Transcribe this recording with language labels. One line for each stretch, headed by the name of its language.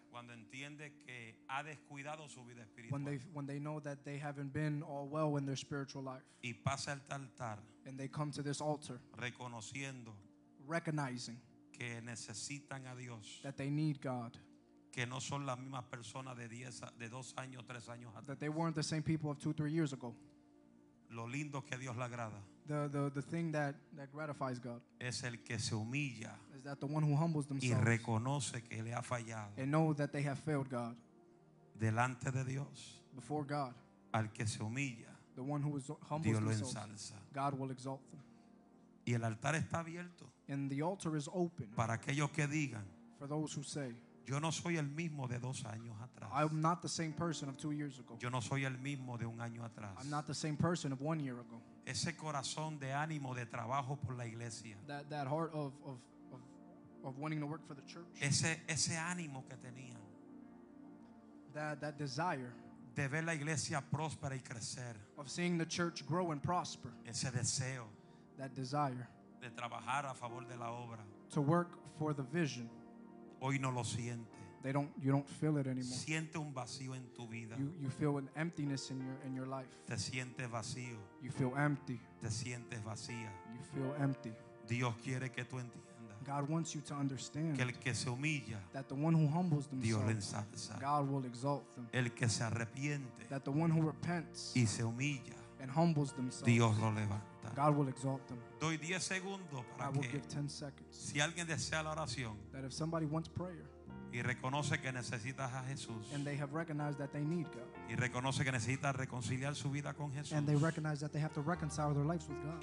Spanish: cuando entiende que ha descuidado su vida espiritual,
English: when they know that they haven't been all well in their spiritual life,
Spanish: y pasa al altar,
English: and they come to this altar,
Spanish: reconociendo,
English: recognizing,
Spanish: que necesitan a Dios,
English: that they need God,
Spanish: que no son las mismas personas de dos años, tres años atrás,
English: that they weren't the same people of two, three years ago.
Spanish: Lo lindo que Dios le agrada.
English: The thing that gratifies God
Spanish: es el que se humilla,
English: is that the one who humbles themselves,
Spanish: y reconoce que le ha fallado,
English: and know that they have failed God,
Spanish: delante de Dios,
English: before God,
Spanish: al que se humilla,
English: the one who humbles
Spanish: Dios
English: themselves,
Spanish: lo ensalza.
English: God will exalt them.
Spanish: Y el altar está abierto.
English: And the altar is open.
Spanish: Para aquellos que digan,
English: for those who say,
Spanish: yo no soy el mismo de dos años atrás.
English: I'm not the same person of 2 years ago.
Spanish: Yo no soy el mismo de un año atrás.
English: I'm not the same person of 1 year ago.
Spanish: Ese corazón de ánimo de trabajo por la iglesia.
English: That heart of wanting to work for the church.
Spanish: Ese ánimo que tenía.
English: That desire.
Spanish: De ver la iglesia próspera y crecer.
English: Of seeing the church grow and prosper.
Spanish: Ese deseo.
English: That desire.
Spanish: De trabajar a favor de la obra.
English: To work for the vision.
Spanish: Hoy no lo siente.
English: You don't feel it anymore.
Spanish: Siente un vacío en tu vida.
English: You feel an emptiness in your life.
Spanish: Te sientes vacío.
English: You feel empty.
Spanish: Te sientes vacía.
English: You feel empty.
Spanish: Dios quiere que tú entiendas.
English: God wants you to understand.
Spanish: Que el que se humilla,
English: that the one who humbles themselves,
Spanish: Dios lo ensalza.
English: God will exalt them.
Spanish: El que se arrepiente,
English: that the one who repents,
Spanish: y se humilla,
English: and humbles themselves,
Spanish: Dios lo levanta.
English: God will exalt them.
Spanish: Doy 10 segundos para
English: I will give 10 seconds.
Spanish: Si alguien desea la oración,
English: that if somebody wants prayer,
Spanish: y reconoce que necesitas a Jesús,
English: and they have recognized that they need God,
Spanish: y reconoce que necesita reconciliar su vida con Jesús,
English: and they recognize that they have to reconcile their lives with God,